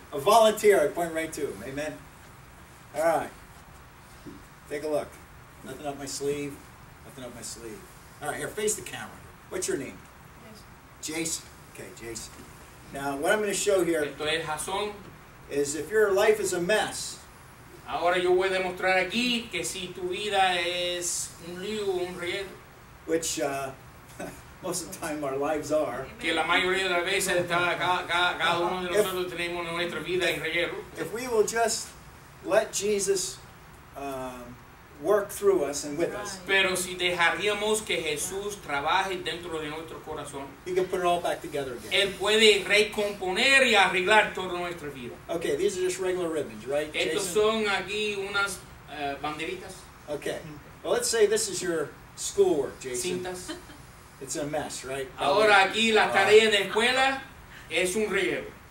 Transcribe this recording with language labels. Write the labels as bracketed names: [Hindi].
[English] A volunteer, I point right to him. Amen. All right. Take a look. Nothing up my sleeve. Nothing up my sleeve. All right, here, face the camera. What's your name? Jason. Okay, Jason. Now, what I'm going to show here [Spanish] esto es Jason. [English] Is if your life is a mess. [Spanish] Ahora yo voy a demostrar aquí que si tu vida es un lío, un riesgo. [English] Which most of the time our lives are. [Spanish] Que la mayoría de las veces cada uno de nosotros tenemos nuestra vida en riesgo. [English] If we will just let Jesus work through us and with us. [Spanish] Pero si dejaríamos que Jesús trabaje dentro de nuestro corazón. [English] He can put it all back together again. [Spanish] Él puede recomponer y arreglar toda nuestra vida. [English] Okay, these are just regular ribbons, right, [Spanish] Jason? Estos son aquí unas banderitas. [English] Okay. Well, let's say this is your schoolwork, Jason. [Spanish] Cintas. [English] It's a mess, right? [Spanish] Ahora aquí la tarea de escuela es un riesgo.